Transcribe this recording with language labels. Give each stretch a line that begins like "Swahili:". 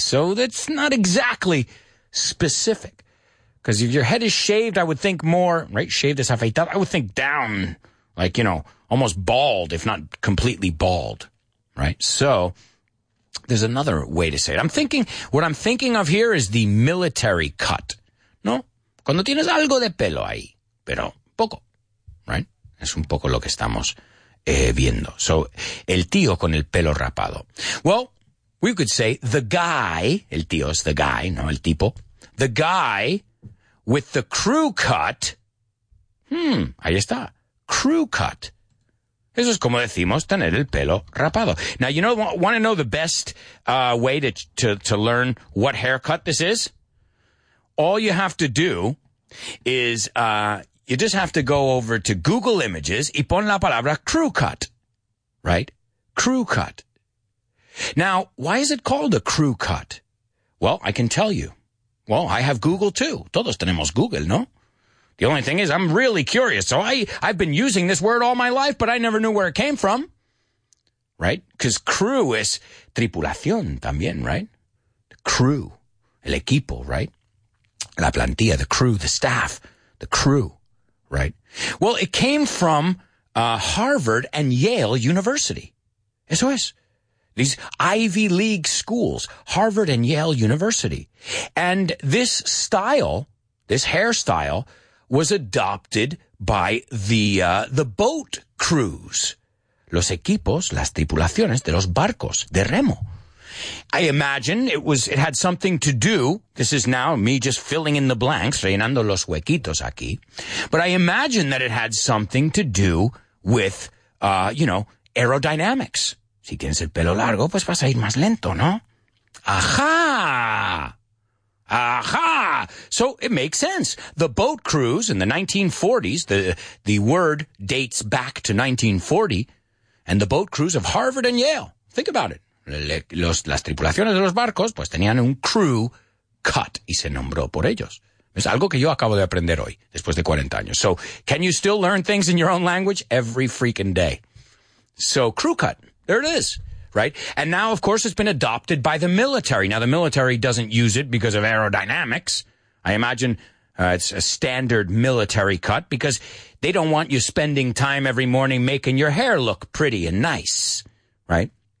English: So that's not exactly specific, because if your head is shaved, I would think more, right? Shaved is afeitado. I would think down, like, you know, almost bald, if not completely bald, right? So there's another way to say it. What I'm thinking of here is the military cut.
Spanish: No, cuando tienes algo de pelo ahí, pero poco. Right? Es un poco lo que estamos viendo. So, el tío con el pelo rapado.
English: Well, we could say the guy, el tío es the guy, no el tipo. The guy with the crew cut.
Spanish: Ahí está. Crew cut. Eso es como decimos tener el pelo rapado.
English: Now, you know, want to know the best way to learn what haircut this is? All you have to do is you just have to go over to Google Images
Spanish: y pon la palabra crew cut,
English: right? Crew cut. Now, why is it called a crew cut? Well, I can tell you. Well, I have Google, too.
Spanish: Todos tenemos Google, ¿no?
English: The only thing is, I'm really curious. So I've been using this word all my life, but I never knew where it came from. Right? Because crew is tripulación también, right? The crew. El equipo, right? La plantilla, the crew, the staff, the crew, right? Well, it came from Harvard and Yale University.
Spanish: Eso es.
English: These Ivy League schools, Harvard and Yale University. And this style, this hairstyle, was adopted by the boat crews.
Spanish: Los equipos, las tripulaciones de los barcos, de remo.
English: I imagine it had something to do, this is now me just filling in the blanks,
Spanish: rellenando los huequitos aquí,
English: but I imagine that it had something to do with, aerodynamics.
Spanish: Si tienes el pelo largo, pues vas a ir más lento, ¿no? Ajá! Aha!
English: So it makes sense. The boat crews in the 1940s, the word dates back to 1940, and the boat crews of Harvard and Yale. Think about it.
Spanish: Las tripulaciones de los barcos, pues tenían un crew cut, y se nombró por ellos. Es algo que yo acabo de aprender hoy, después de 40 años.
English: So can you still learn things in your own language? Every freaking day. So crew cut, there it is. Right. And now, of course, it's been adopted by the military. Now, the military doesn't use it because of aerodynamics. I imagine it's a standard military cut because they don't want you spending time every morning making your hair look pretty and nice. Right.